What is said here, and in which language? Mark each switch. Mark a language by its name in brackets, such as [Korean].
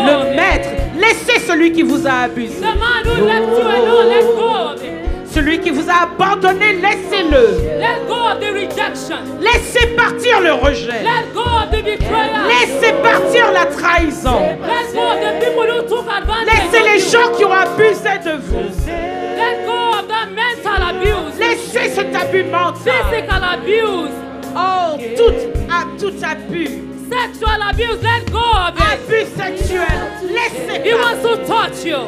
[French] Le maître, laissez celui qui vous a abusé. [English] The man who left you alone, let go. [French] Celui qui vous a abandonné, laissez-le. [English] Let go of the rejection. [French] Laissez partir le rejet. [English] Let go of the betrayal. [French] Laissez partir la trahison. [English] Let go of the people who took advantage. [French] Laissez les gens qui ont abusé de vous. [English] Let go of the mental abuse. [French] Laissez cet abus mental. [English] Physical abuse. [French] Oh, tout abus. [English] Sexual abuse, let go of it. [French] Abus sexuel, laissez. [English] He wants to touch you.